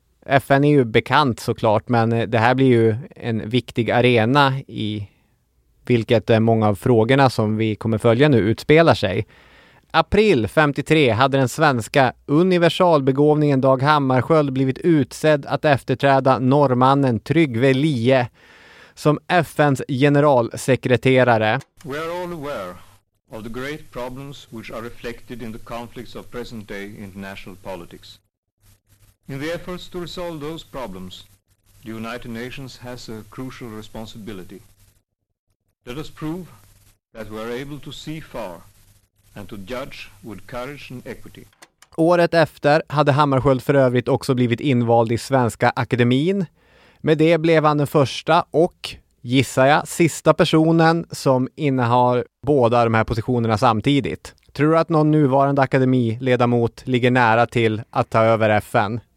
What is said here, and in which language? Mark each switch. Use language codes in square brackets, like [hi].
[sv] FN är ju bekant såklart, men det här blir ju en viktig arena i vilket många av frågorna som vi kommer följa nu utspelar sig. April 53 hade den svenska universalbegåvningen Dag Hammarskjöld blivit utsedd att efterträda norrmannen Trygve Lie som FNs generalsekreterare. [en] We are all aware of the great problems which are reflected in the conflicts of present-day international politics. In the efforts to resolve those problems, the United Nations has a crucial responsibility. Let us prove that we are able to see far and to judge with courage and equity. [sv] Året efter hade Hammarskjöld för övrigt också blivit invald i Svenska akademin. Med det blev han den första och, gissar jag, sista personen som innehar båda de här positionerna samtidigt. Tror du att någon nuvarande akademiledamot ligger nära till att ta över FN?